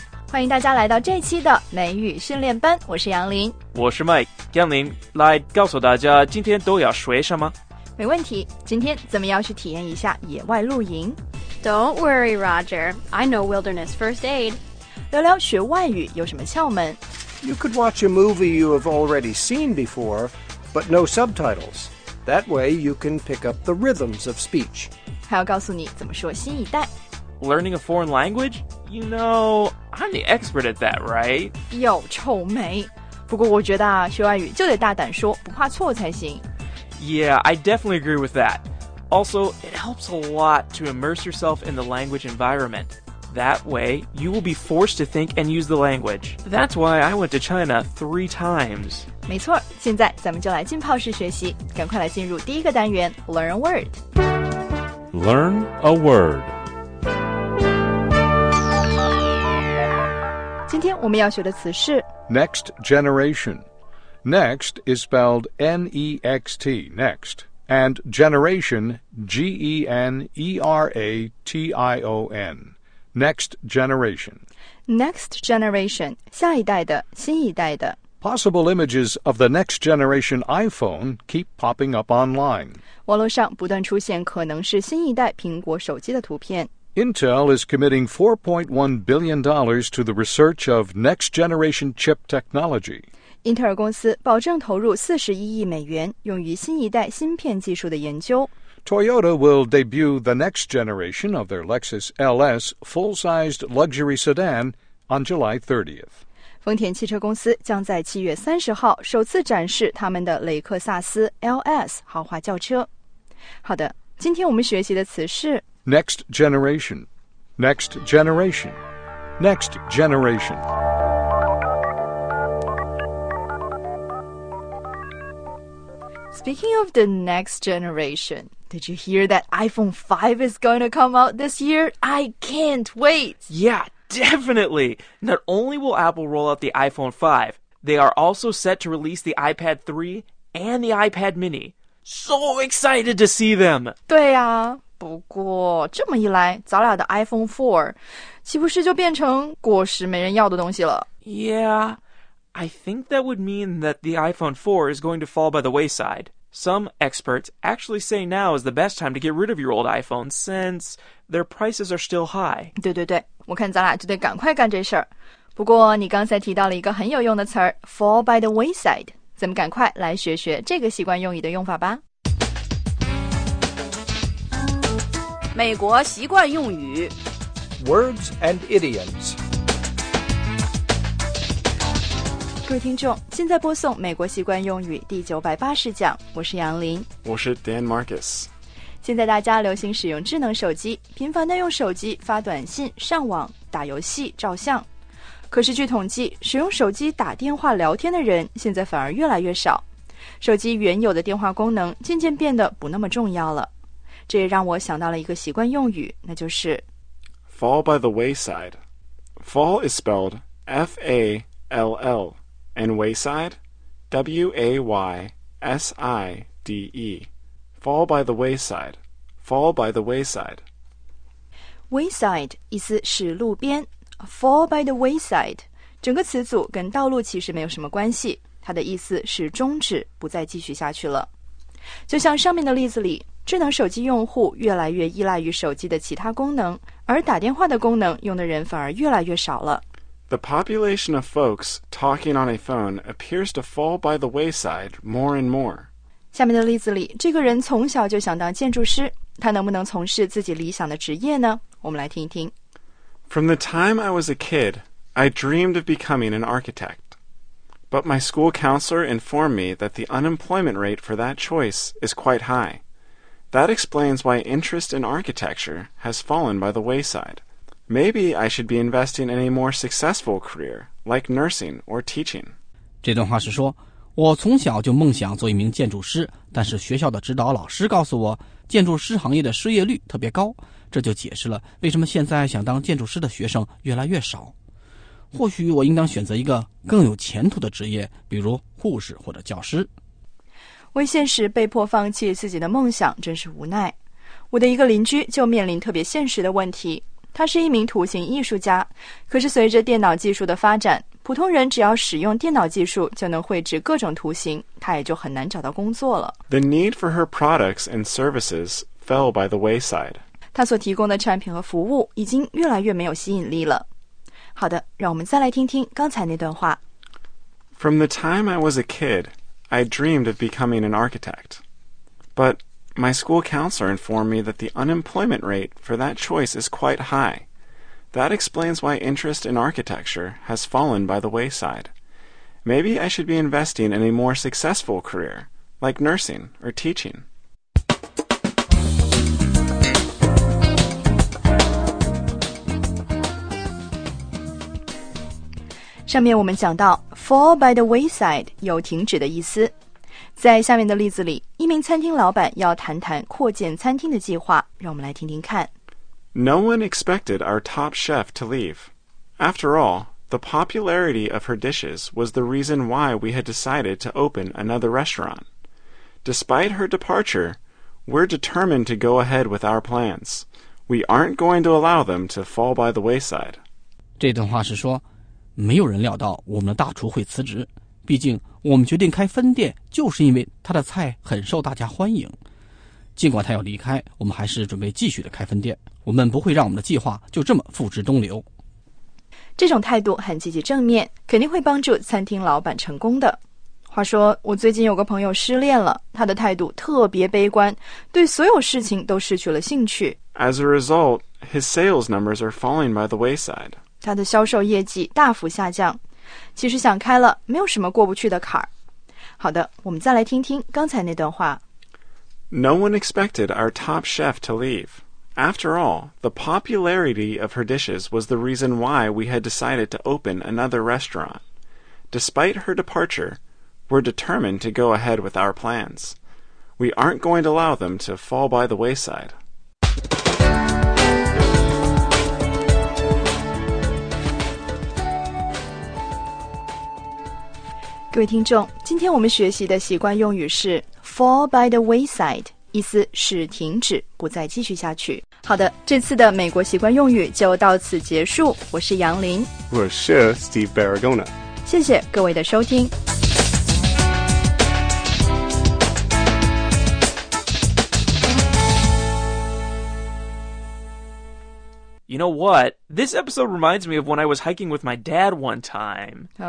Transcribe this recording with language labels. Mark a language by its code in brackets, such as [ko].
[zh] 欢迎大家来到这期的美语训练班，我是杨林，我是 Mike。杨林，来告诉大家今天都要学什么。没问题，今天咱们要去体验一下野外露营。 [en] Don't worry Roger, I know wilderness first aid。 [zh] 聊聊学外语有什么窍门。 [en] You could watch a movie you have already seen before, but no subtitles. That way you can pick up the rhythms of speech. [zh] 还要告诉你怎么说新一代。 [en] Learning a foreign language? You know, I'm the expert at that, right? [zh] 有臭美。不过我觉得啊，学外语就得大胆说，不怕错才行。 [en] Yeah, I definitely agree with that. Also, it helps a lot to immerse yourself in the language environment. That way, you will be forced to think and use the language. That's why I went to China 3 times. [zh] 没错，现在咱们就来浸泡式学习，赶快来进入第一个单元 , [en] Learn a Word. Learn a Word. [zh] 今天我们要学的词是 [en] Next generation. Next is spelled N-E-X-T, next. And generation, G-E-N-E-R-A-T-I-O-N. Next generation. Next generation, [zh] 下一代的，新一代的。 [en] Possible images of the next generation iPhone keep popping up online. [zh] 网络上不断出现可能是新一代苹果手机的图片。 [en] Intel is committing $4.1 billion to the research of next-generation chip technology. [zh] Intel 公司保证投入$41 billion用于新一代芯片技术的研究。 [en] Toyota will debut the next generation of their Lexus LS full-sized luxury sedan on July 30th. [zh] 丰田汽车公司将在7月30号首次展示他们的雷克萨斯 LS 豪华轿车。好的，今天我们学习的词是 [en] Next generation, next generation, next generation. Speaking of the next generation, did you hear that iPhone 5 is going to come out this year? I can't wait! Yeah, definitely! Not only will Apple roll out the iPhone 5, they are also set to release the iPad 3 and the iPad mini. So excited to see them! [zh] 对呀、啊。不过这么一来，咱俩的 iPhone 4岂不是就变成果实没人要的东西了？ [en] Yeah, I think that would mean that the iPhone 4 is going to fall by the wayside. Some experts actually say now is the best time to get rid of your old iPhone since their prices are still high. [zh] 对对对，我看咱俩就得赶快干这事儿。不过你刚才提到了一个很有用的词儿 [en] fall by the wayside. [zh] 咱们赶快来学学这个习惯用语的用法吧。美国习惯用语 [en] Words and idioms. [zh] 各位听众，现在播送美国习惯用语第980讲，我是杨林，我是 Dan Marcus。现在大家流行使用智能手机，频繁地用手机发短信、上网、打游戏、照相。可是据统计，使用手机打电话聊天的人现在反而越来越少，手机原有的电话功能渐渐变得不那么重要了。这也让我想到了一个习惯用语，那就是 [en] Fall by the wayside. Fall is spelled F-A-L-L, and wayside, W-A-Y-S-I-D-E. Fall by the wayside. Fall by the wayside. [zh] Wayside 意思是路边。 [en] Fall by the wayside [zh] 整个词组跟道路其实没有什么关系，它的意思是终止，不再继续下去了。就像上面的例子里，智能手机用户越来越依赖于手机的其他功能，而打电话的功能用的人反而越来越少了。 [en] The population of folks talking on a phone appears to fall by the wayside more and more. [zh] 下面的例子里，这个人从小就想当建筑师，他能不能从事自己理想的职业呢？我们来听一听。 [en] From the time I was a kid, I dreamed of becoming an architect. But my school counselor informed me that the unemployment rate for that choice is quite high. That explains why interest in architecture has fallen by the wayside. Maybe I should be investing in a more successful career, like nursing or teaching. [zh] 这段话是说，我从小就梦想做一名建筑师，但是学校的指导老师告诉我，建筑师行业的失业率特别高，这就解释了为什么现在想当建筑师的学生越来越少。或许我应当选择一个更有前途的职业，比如护士或者教师。为现实被迫放弃自己的梦想真是无奈。我的一个邻居就面临特别现实的问题，他是一名图形艺术家，可是随着电脑技术的发展，普通人只要使用电脑技术就能绘制各种图形，他也就很难找到工作了。 [en] The need for her products and services fell by the wayside. [zh] 他所提供的产品和服务已经越来越没有吸引力了。好的，让我们再来听听刚才那段话。 [en] From the time I was a kid, I dreamed of becoming an architect. But my school counselor informed me that the unemployment rate for that choice is quite high. That explains why interest in architecture has fallen by the wayside. Maybe I should be investing in a more successful career, like nursing or teaching. Fall by the wayside [zh] 有停止的意思。在下面的例子里，一名餐厅老板要谈谈扩建餐厅的计划，让我们来听听看。 [en] No one expected our top chef to leave. After all, the popularity of her dishes was the reason why we had decided to open another restaurant. Despite her departure, we're determined to go ahead with our plans. We aren't going to allow them to fall by the wayside. [zh] 这段话是说，没有人料到我们的大厨会辞职，毕竟我们决定开分店就是因为他的菜很受大家欢迎。尽管他要离开，我们还是准备继续的开分店，我们不会让我们的计划就这么付之东流。这种态度很积极正面，肯定会帮助餐厅老板成功的。话说我最近有个朋友失恋了，他的态度特别悲观，对所有事情都失去了兴趣。 [en] As a result, his sales numbers are falling by the wayside. [zh] 他的销售业绩大幅下降，其实想开了，没有什么过不去的坎儿。好的，我们再来听听刚才那段话。 [en] No one expected our top chef to leave. After all, the popularity of her dishes was the reason why we had decided to open another restaurant. Despite her departure, we're determined to go ahead with our plans. We aren't going to allow them to fall by the wayside. [zh] 各位听众，今天我们学习的习惯用语是 [en] fall by the wayside， [zh] 意思是停止，不再继续下去。好的，这次的美国习惯用语就到此结束。我是杨林，我是 Steve Barragona，谢谢各位的收听。 [en] You know what? This episode reminds me of when I was hiking with my dad one time.